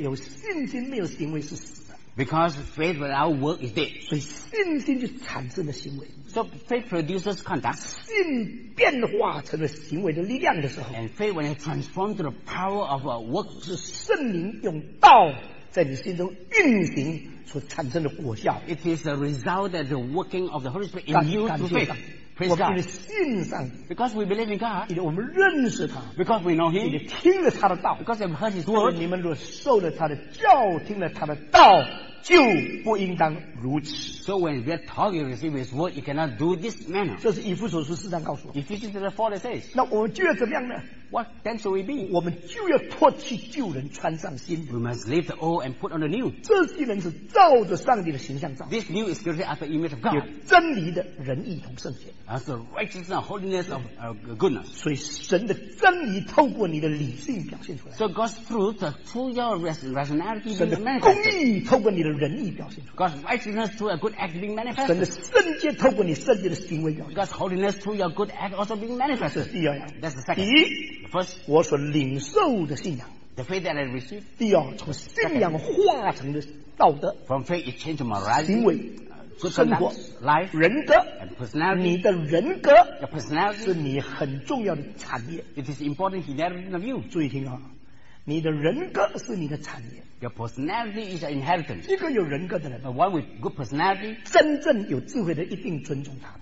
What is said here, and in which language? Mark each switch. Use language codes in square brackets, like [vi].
[zh] 有信心没有行为是死的。 [en] Because faith without work is dead. [zh] 所以信心就产生了行为。 [en] So faith produces conduct. [zh] 信变化成了行为的力量的时候， [en] and faith when it transforms to the power of a work, [zh] 是圣灵用道在你心中运行所产生的果效。 [en] It is the result that the working of the Holy Spirit in you through faith. Praise God. [zh] 我们信上， [en] because we believe in God. [zh] 因为我们认识他， [en] because we know Him. [zh] 因为听了他的道， [en] because we have heard His word. [zh] 你们若受了他的教，听了他的道，就不应当如此。 [en] So when we are talking, receive His word, you cannot do this manner. [zh] 这是以弗所书四章告诉我。 [en] Ephesians 4 says. [zh] 那我们就要怎么样呢？ [en] What then shall we be? [zh] 我们就要脱去旧人，穿上新。 [en] We must leave the old and put on the new. [zh] 这些人是照着上帝的形象造。 [en] This new is created after image of God. [zh] 有真理的仁义同圣洁。 [en] As the righteousness and holiness of goodness. [zh] 所以神的真理透过你的理性表现出来。 [en] So God's truth through your rationality. [zh] 神的公义透过你的仁义表现出来。 [en] God's righteousness through a good act being manifested. [zh] 神的圣洁透过你圣洁的行为表现。 [en] God's holiness through your good act also being manifested. [zh] 第二样。 [en] That's the second. First, [zh] 我所领受的信仰。 [en] The faith that I receive. [zh] 第二，从信仰化成的道德。 [en] From faith it changes to morality. [zh] 行为。生活 [en] life, [zh] 人格 [en] and personality, [zh] 你的人格 [en] your personality, [zh] 是你很重要的产业。 [en] It is important inheritance of you. [zh] 注意听啊，你的人格是你的产业。 [en] Your personality is your inheritance. [zh] 一个有人格的人， [en] the one with good personality, [zh] 真正有智慧的一定尊重他。